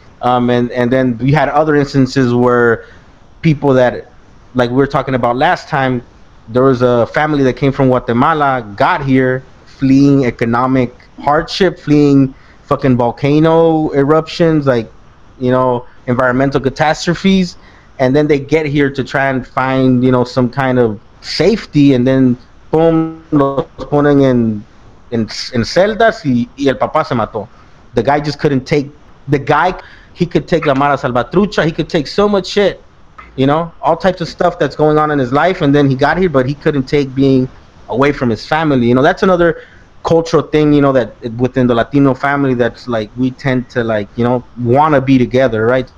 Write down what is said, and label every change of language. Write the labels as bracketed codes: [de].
[en] And then we had other instances where people that, like we were talking about last time, there was a family that came from Guatemala, got here, fleeing economic hardship, fleeing fucking volcano eruptions, like, you know, environmental catastrophes. And then they get here to try and find, you know, some kind of safety. And then, boom, [es] los ponen en celdas y el papá se mató. [en] The guy just couldn't take, he could take la mara salvatrucha, he could take so much shit. You know, all types of stuff that's going on in his life. And then he got here, but he couldn't take being away from his family. You know, that's another cultural thing, you know, that within the Latino family, that's like, we tend to, like, you know, want to be together, right?